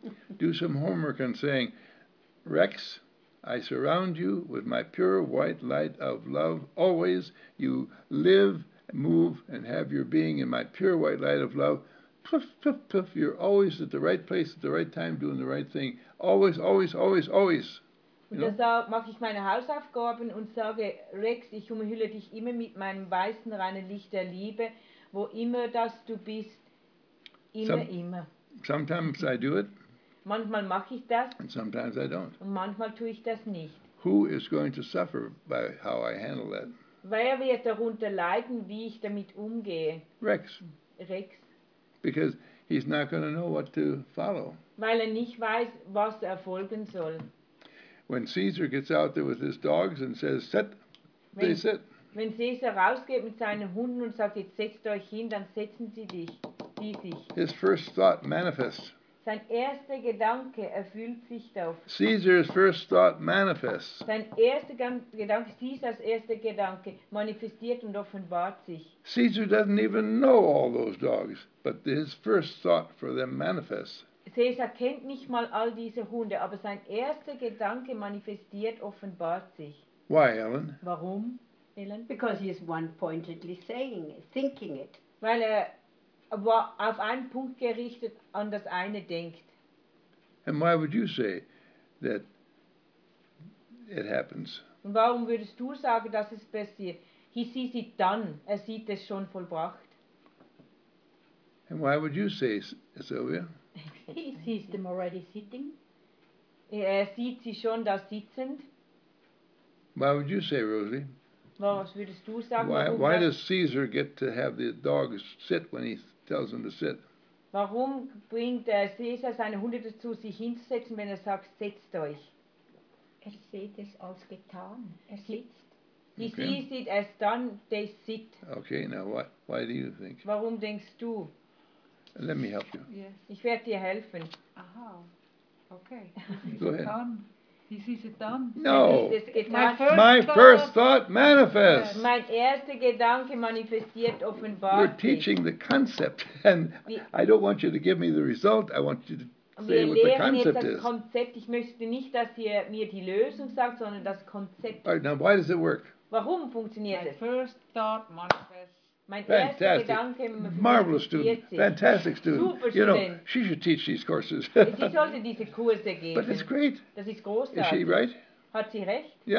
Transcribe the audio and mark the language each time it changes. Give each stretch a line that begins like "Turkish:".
English: Do some homework and saying, Rex, I surround you with my pure white light of love. Always you live, move, and have your being in my pure white light of love. Puff, puff, puff, you're always at the right place at the right time doing the right thing. Always, always, always, always.
German: Und da mache ich meine Hausaufgaben und sage, Rex, ich umhülle dich immer mit meinem weißen, reinen Licht der Liebe, wo immer das du bist, immer.
English: Sometimes I do it.
German: Manchmal mache ich das.
English: And sometimes I don't.
German: Und manchmal tue ich das nicht.
English: Who is going to suffer by how I handle that?
German: Wer wird darunter leiden, wie ich damit umgehe?
English: Rex. Because he's not going to know what to follow.
German: Weil nicht weiß, was folgen soll.
English: When Caesar gets out there with his dogs and says, sit, they sit.
German: Wenn Caesar rausgeht mit seinen Hunden und sagt, jetzt setzt euch hin, dann setzen sie sich.
English: His first thought manifests.
German: Sein erster Gedanke erfüllt sich darauf.
English: Caesar's first thought manifests.
German: Sein erster Gedanke, Caesars erster Gedanke, manifestiert und offenbart sich.
English: Caesar doesn't even know all those dogs, but his first thought for them manifests.
German: Caesar kennt nicht mal all diese Hunde, aber sein erster Gedanke manifestiert, offenbart sich.
English: Why, Ellen?
German: Warum, Ellen?
English: Because he is one-pointedly saying it, thinking it.
German: Weil er auf einen Punkt gerichtet an das eine denkt.
English: And why would you say that it happens?
German: Und warum würdest du sagen, dass es passiert?
English: He sees it done.
German: Er sieht es schon vollbracht.
English: And why would you say, Sylvia? He sees them already sitting.
German: Er sieht sie schon da sitzend.
English: Why would you say, Rosie?
German: Was würdest du sagen?
English: Why does Caesar get to have the dogs sit when he tells them to sit?
German: Warum bringt der Caesar seine Hunde dazu, sich hinzusetzen, wenn er sagt, setzt euch? Er sieht es als getan. Er sitzt.
English: He sees it as done. They sit. Okay, now why do you think?
German: Warum denkst du?
English: Let me help you. Yes.
German: Ich werde dir helfen.
English: Aha. Okay. Go ahead. He sees it done. No. He sees it getan. My first thought manifests. Yes.
German: Mein erster Gedanke manifestiert offenbar.
English: We're teaching the concept, and I don't want you to give me the result. I want you to say
German: wir
English: what the concept
German: jetzt das Konzept.
English: Is.
German: Ich möchte nicht, dass ihr mir die Lösung sagt, sondern das Konzept.
English: All right, now, why does it work?
German: Warum funktioniert
English: my
German: es?
English: My first thought manifests. Fantastic. Marvelous student. Fantastic student. Super student. You know, she should teach these courses. But it's great.
German: Das ist großartig.
English: Is she right?
German: Hat sie recht?